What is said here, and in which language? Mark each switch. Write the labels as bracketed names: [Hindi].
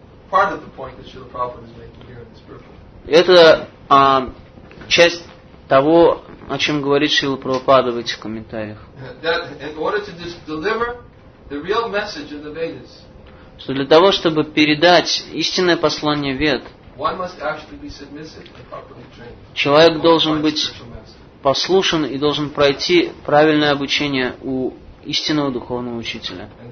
[English] Part of the point that Srila Prabhupada is making here in this purport. [Russian] Это часть того, о чем говорит Шрила Прабхупада в этих комментариях. [English] That in order to deliver the real message of the Vedas. [Russian] Что для того, чтобы передать истинное послание Вед. [English] One must actually be submissive and properly trained. [Russian] Человек должен быть послушен и должен пройти правильное обучение у истинного духовного учителя.